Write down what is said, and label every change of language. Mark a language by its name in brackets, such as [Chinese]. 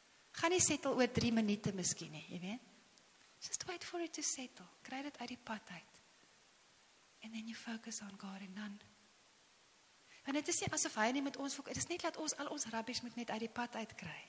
[Afrikaans] Gaan nie settel oor 3 minute miskien nie, jy weet? [English] Just wait for it to settle. [Afrikaans] Kry dit uit die pad uit. [English] And then you focus on God and dan. [Afrikaans] Want dit is nie asof hy nie met ons wil. Dit is net dat ons al ons rubbish moet net uit die pad uitkry.